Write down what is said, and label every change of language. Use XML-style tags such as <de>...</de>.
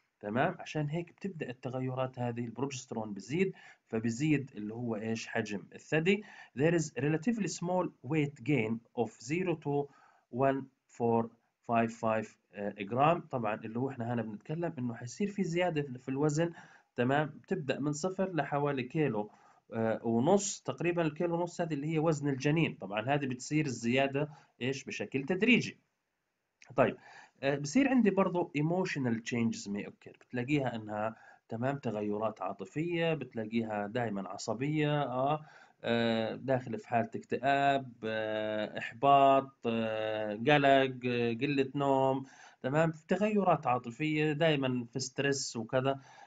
<ar>تمام، عشان هيك بتبدأ التغيرات هذه، البروجسترون بزيد، فبزيد اللي هو ايش، حجم الثدي.</ar> <en>There is relatively small weight gain of 0 to 1455 جرام.</en> <ar>طبعا اللي هو احنا هنا بنتكلم انه حيصير في زيادة في الوزن، تمام، بتبدأ من صفر لحوالي كيلو ونص تقريبا. الكيلو ونص هذه اللي هي وزن الجنين. طبعا هذه بتصير الزيادة ايش، بشكل تدريجي. طيب بصير عندي برضو</ar> <en>emotional changes may occur،</en> <ar>بتلاقيها انها تمام تغيرات عاطفية، بتلاقيها دائما عصبية، داخل في حالة اكتئاب، احباط، قلق، قلة نوم، تمام، تغيرات عاطفية، دائما في ستريس وكذا.</ar>